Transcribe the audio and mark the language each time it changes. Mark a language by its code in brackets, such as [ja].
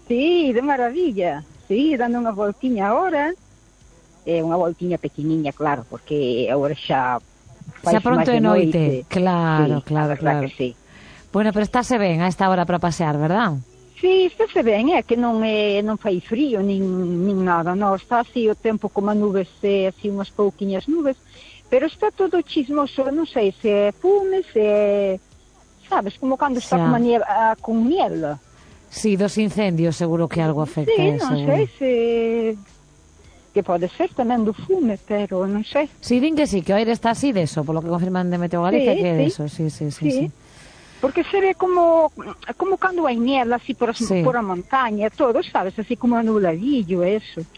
[es] Sí, de maravilla, sí, dando una voltiña ahora, una voltiña pequeñiña, claro, porque ahora ya se pronto de noche. Claro, sí, claro, claro. Que sí. Bueno, pero está se ven a esta hora para pasear, ¿verdad? Sí, está se ven, [gl] é que non é, non fai frío nin nada, non. Está así o tempo con as nubes, así unhas pouquinhas nubes, pero está todo chismoso, non sei se é fume, se é, sabes, como cando está [es] con nieve, con niebla. Sí, dos incendios seguro que algo afecta. [gl] Sí, non sei se... que pode ser tamén do fume, pero non sei. Sí, din que sí, que o aire está así de eso, polo que confirman de Meteo Galicia, que é de eso, sí. Porque se ve como cando hai niebla, así por, por a montaña, todo, sabes, así como anuladillo, eso.